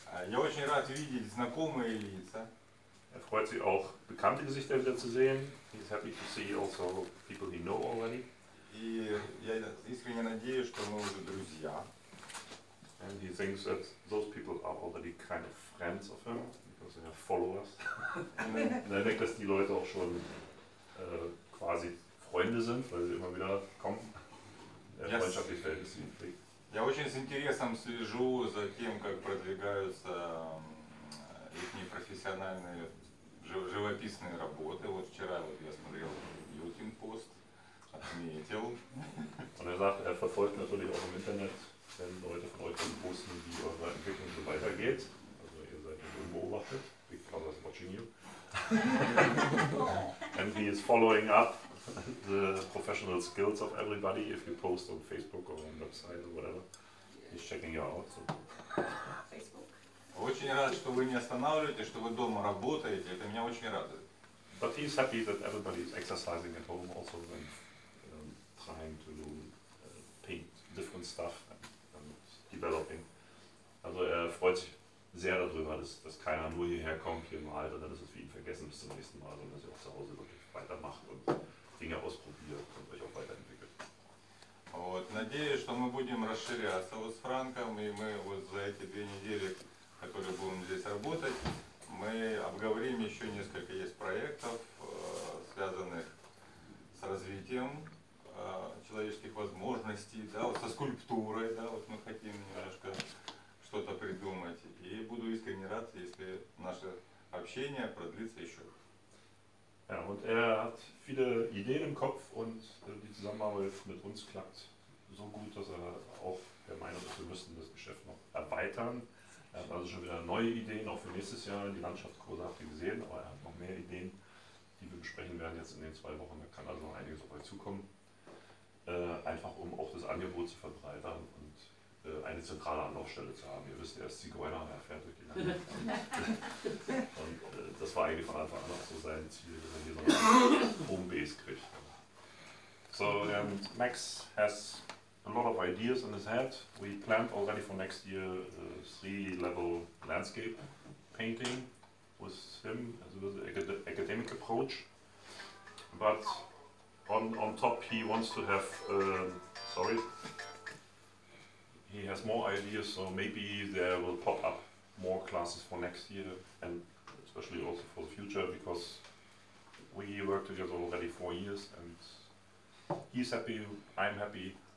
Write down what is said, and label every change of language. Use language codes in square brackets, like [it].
[ru] Я очень рад видеть знакомые лица. [de] Er freut sich auch, bekannte Gesichter wieder zu sehen. [en] He's happy to see also people he know already. [ru] И я искренне надеюсь, что мы уже друзья. [en] And he thinks that those people are already kind of friends of him, because they have followers. [de] Und er denkt, dass die Leute auch schon quasi Freunde sind, weil sie immer wieder kommen. Er freundschaftlich fällt es ihm. [ru] Я очень с интересом слежу за тем, как продвигаются их непрофессиональные живописные работы. Вот вчера вот я смотрел Jutin Post, отметил. [de] Und er sagt, er verfolgt natürlich auch im Internet, wenn Leute von euch posten, wie eure Entwicklung so weitergeht. Also ihr seid ja schon beobachtet. [en] Big Brother's watching you. And he is following up the professional skills of everybody. If you post on Facebook or on website or whatever, he's checking you out. So. Facebook. [ru] Очень рад, что вы не останавливаетесь, что вы дома работаете. Это меня очень радует. [en] But he's happy that everybody is exercising at home, also when trying to do paint different stuff and developing. [de] Also er freut sich sehr darüber, dass keiner nur hierher kommt hier mal, dann ist es für ihn vergessen bis zum nächsten Mal, sondern dass er auch zu Hause wirklich weitermacht und Dinge ausprobiert und euch auch weiterentwickelt. [ru] Вот, надеюсь, что мы будем расширяться вот с Франком, и мы вот за эти две недели, которые будем здесь работать, мы обговорим еще несколько есть проектов, связанных с развитием человеческих возможностей, да, вот со скульптурой, да, вот мы хотим немножко что-то придумать. И буду искренне рад, если наше общение продлится еще. [de] Ja, und er hat viele Ideen im Kopf und die Zusammenarbeit mit uns klappt so gut, dass er auch der Meinung ist, wir müssten das Geschäft noch erweitern. Er hat also schon wieder neue Ideen, auch für nächstes Jahr. Die Landschaftskurse habt ihr gesehen, aber er hat noch mehr Ideen, die wir besprechen werden jetzt in den zwei Wochen. Da kann also noch einiges auf euch zukommen. Einfach um auch das Angebot zu verbreitern und eine zentrale Anlaufstelle zu haben. Ihr wisst, er ist Zigeuner, er fährt durch die Lande. Und das war eigentlich von Anfang an auch so sein Ziel, dass er hier so eine Homebase kriegt. [en] So, Max has a lot of ideas in his head. We planned already for next year a three-level landscape painting with him, also with the academic approach. But on top he wants to have, sorry, he has more ideas, so maybe there will pop up more classes for next year and especially also for the future, because we worked together already 4 years and he's happy, I'm happy,